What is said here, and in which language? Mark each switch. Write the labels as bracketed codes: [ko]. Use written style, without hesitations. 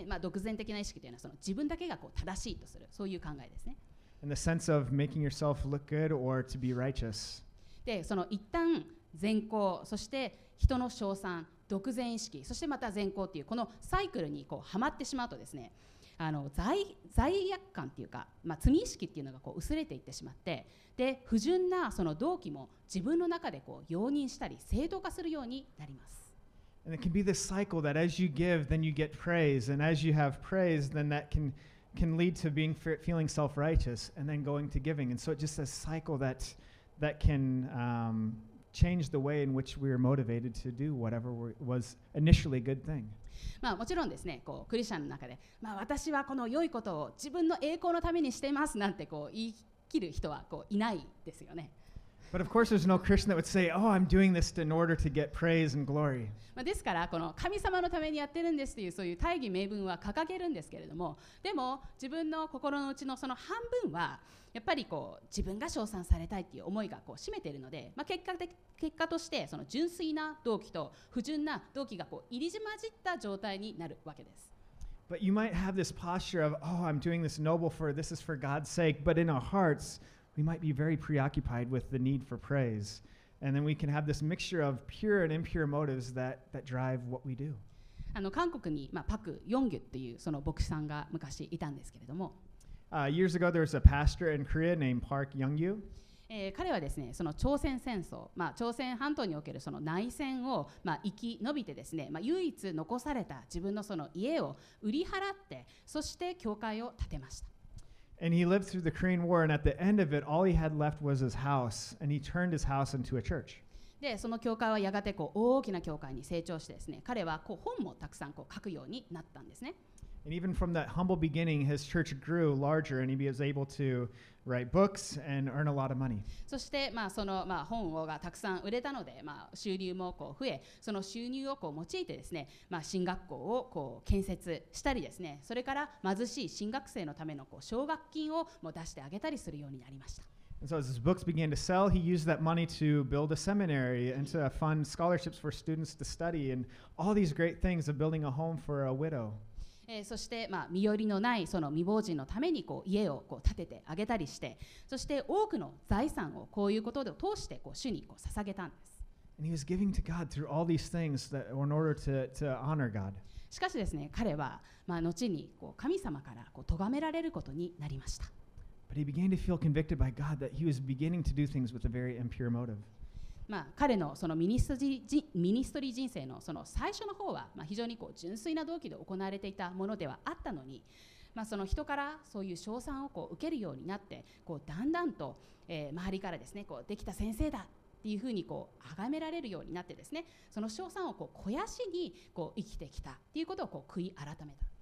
[ja] まあ独善的な意識というのはその自分だけがこう正しいとするそういう考えですね。 [en] And the sense of making yourself look good or to be righteous. [ja] でその一旦善行そして人の称賛独善意識そしてまた善行というこのサイクルにこうハマってしまうとですね。あの 罪悪感というか、まあ、罪意識というのがこう薄れていってしまってで不純なその動機も自分の中でこう容認したり正当化するようになります [en] And it can be this cycle that as you give then you get praise and as you have praise then that can lead to being feeling self-righteous and then going to giving and so it's just a cycle that can change the way in which we are motivated to do whatever was initially a good thing [ja] まあ、もちろんですねこうクリスチャンの中で、まあ、私はこの良いことを自分の栄光のためにしていますなんてこう言い切る人はこういないですよね。 [en] But of course, there's no Christian that would say, "Oh, I'm doing this in order to get praise and glory." [ja] まあですからこの神様のためにやってるんですというそういう大義名分は掲げるんですけれども、でも自分の心のうちのその半分はやっぱりこう自分が称賛されたいっていう思いがこう占めているので、まあ結果としてその純粋な動機と不純な動機がこう入り混じった状態になるわけです。 [en] But you might have this posture of, "Oh, I'm doing this noble for this is for God's sake," but in our hearts. We might be very preoccupied with the need for praise. And then we can have this mixture of pure and impure motives that drive what we do. [ja] あの韓国に、まあ、パク・ヨンギュっていうその牧師さんが昔いたんですけれども。 [en] Years ago, there was a pastor in Korea named Park Young-gyu. [ja] 彼はですね、その朝鮮戦争、まあ、朝鮮半島におけるその内戦を、まあ、生き延びてですね、まあ、唯一残された自分のその家を売り払って、そして教会を建てました。 [en] And he lived through the Korean War, and at the end of it, all he had left was his house, and he turned his house into a church. [ja] で、その教会はやがてこう大きな教会に成長してですね、彼はこう本もたくさんこう書くようになったんですね。 [en] And even from that humble beginning, his church grew larger, and he was able to write books and earn a lot of money. [ja] そして、まあ、その、まあ、本をがたくさん売れたので、まあ、収入もこう増え、その収入をこう用いてですね、まあ、進学校をこう建設したりですね、それから貧しい進学生のためのこう奨学金をも出してあげたりするようになりました。 [en] And so as his books began to sell, he used that money to build a seminary and to fund scholarships for students to study and all these great things of building a home for a widow. [ja] そして、まあ、身寄りのないその未亡人のためにこう家をこう建ててあげたりしてそして多くの財産をこういうことで通してこう主にこう捧げたんです。 [en] And he was giving to God through all these things that in order to honor God. [ja] しかしですね彼は、まあ、後にこう神様からこう咎められることになりました。 [en] But he began to feel convicted by God that he was beginning to do things with a very impure motive. [ja] まあ、彼のそのミニストリー人生のその最初の方はまあ非常にこう純粋な動機で行われていたものではあったのに、まあその人からそういう称賛をこう受けるようになって、こうだんだんと周りからですね、こうできた先生だっていうふうにこう崇められるようになってですね、その称賛をこう肥やしにこう生きてきたっていうことをこう悔い改めたんです。